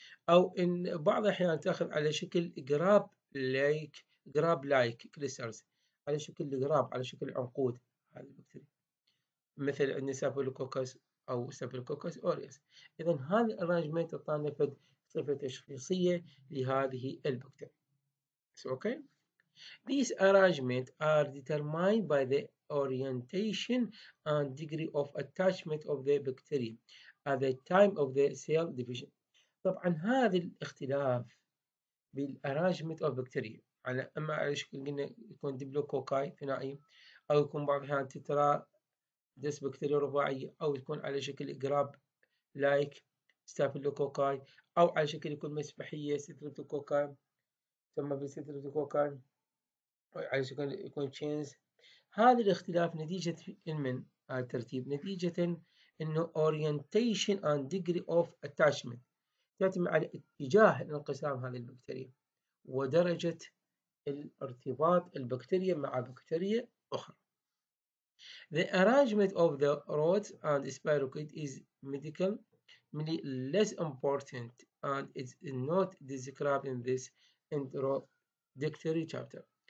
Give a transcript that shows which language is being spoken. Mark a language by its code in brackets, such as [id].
[ar] أو إن بعض الأحيان تأخذ على شكل [en] grab-like clusters. [ar] على شكل الجراب، على شكل عنقود هذه البكتيريا. مثل عندنا Staphylococcus أو Staphylococcus aureus. إذا هذا الأرانجمنت أعطانا فد صفة تشخيصية لهذه البكتيريا. [en] Okay. These arrangements are determined by the orientation and degree of attachment of the bacteria at the time of the cell division. [ar] طبعا هذا الاختلاف بال [en] arrangement of bacteria [ar] على اما على شكل قلنا يكون ديبلوكوكاي ثنائي او يكون بعض الاحيان تترا ديس بكتيريا رباعي او يكون على شكل جراب لايك ستافيلوكوكاي او على شكل يكون مسبحيه ستريبتوكوكاي ثم بالستريبتوكوكاي على شكل يكون تشينز. هذا الاختلاف نتيجة من الترتيب نتيجة انه [en] orientation and degree of attachment [ar] تعتمد على اتجاه الانقسام هذه البكتيريا ودرجة الارتباط البكتيريا مع بكتيريا اخرى. [en] The arrangement of the rods and spirochete is medically less important and is not described in this introductory chapter.